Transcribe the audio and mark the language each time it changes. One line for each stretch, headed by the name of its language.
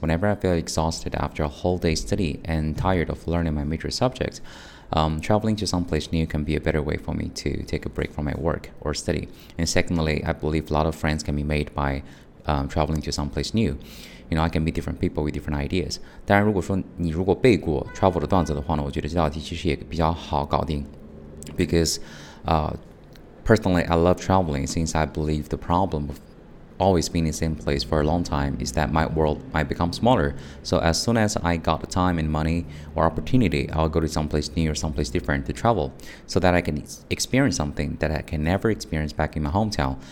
English: Whenever I feel exhausted after a whole day study and tired of learning my major subjectsTraveling to some place new can be a better way for me to take a break from my work or study. And secondly, I believe a lot of friends can be made by traveling to some place new. You know, I can meet different people with different ideas.
Chinese: 当然如果说你如果背过 travel 的段子的话呢，我觉得这道题其实也比较好搞定。
English: Because personally, I love traveling since I believe the problem ofalways been in the same place for a long time is that my world might become smaller. So as soon as I got the time and money or opportunity, I'll go to someplace new or someplace different to travel so that I can experience something that I can never experience back in my hometown.